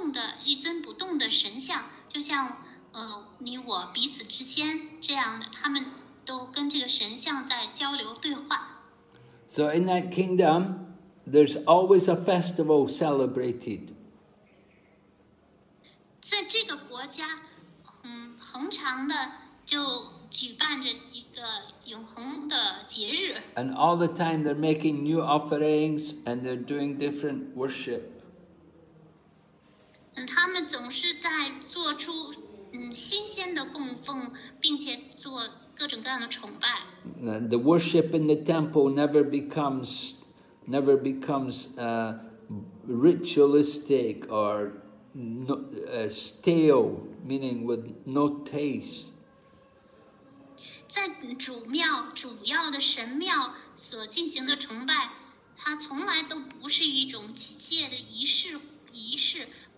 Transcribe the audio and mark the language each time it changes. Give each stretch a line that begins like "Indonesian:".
Chinese: 但是就是在这个国王的首都，有一个Vishnu的神像，这尊神像是如此的强大有力，有吸引力，以至于臣民们都忘记了他是一个不动的，一尊不动的神像，就像。你我彼此之间这样的，他们都跟这个神像在交流对话。
English: So in that kingdom, there's always a festival celebrated.
Chinese: 在这个国家，恒常的就举办着一个永恒的节日。
English: And all the time they're making new offerings and they're doing different worship.
Chinese: 他们总是在做出。
English: The worship in the temple never becomes ritualistic or stale, meaning with no taste.
Chinese: 在主庙主要的神庙所进行的崇拜，它从来都不是一种机械的仪式。